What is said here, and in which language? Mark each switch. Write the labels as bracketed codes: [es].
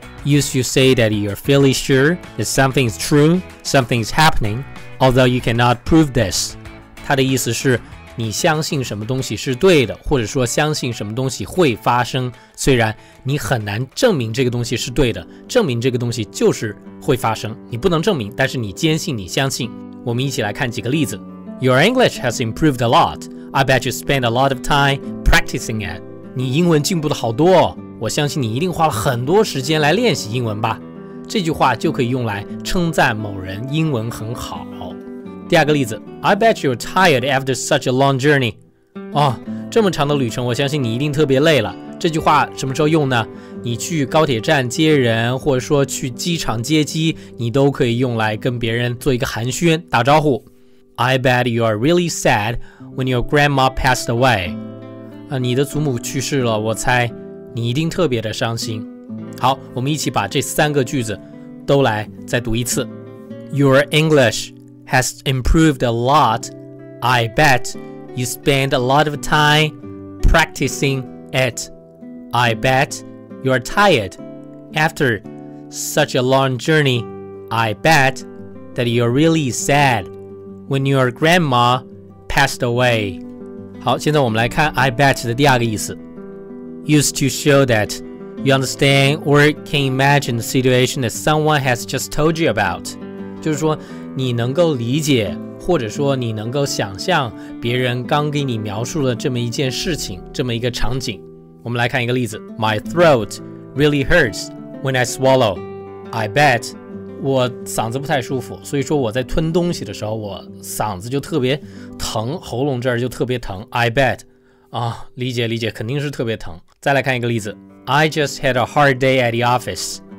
[en] Used to say that you're fairly sure that something's true, something's happening, although you cannot prove this. [zh] 它的意思是你相信什么东西是对的，或者说相信什么东西会发生，虽然你很难证明这个东西是对的，证明这个东西就是会发生，你不能证明，但是你坚信，你相信。我们一起来看几个例子。 [en] Your English has improved a lot. I bet you spend a lot of time practicing it. [zh] 你英文进步的好多哦，我相信你一定花了很多时间来练习英文吧。这句话就可以用来称赞某人英文很好。第二个例子， [en] I bet you're tired after such a long journey. [zh] 哦，这么长的旅程，我相信你一定特别累了。这句话什么时候用呢？你去高铁站接人，或者说去机场接机，你都可以用来跟别人做一个寒暄打招呼。 [en] I bet you are really sad when your grandma passed away. [zh] 你的祖母去世了，我猜你一定特别的伤心。好，我们一起把这三个句子都来再读一次。 [en] Your English has improved a lot. I bet you spend a lot of time practicing it. I bet you're tired after such a long journey. I bet that you're really sad when your grandma passed away. [zh] 好，现在我们来看 I bet 的第二个意思。 [en] Used to show that you understand or can imagine the situation that someone has just told you about. [zh] 就是说你能够理解，或者说你能够想象别人刚给你描述了这么一件事情，这么一个场景。我们来看一个例子。 [en] My throat really hurts when I swallow. I bet [zh] 我嗓子不太舒服，所以说我在吞东西的时候我嗓子就特别疼，喉咙这儿就特别疼。 [en] I bet [zh] 啊，理解理解，肯定是特别疼。再来看一个例子。 [en] I just had a hard day at the office.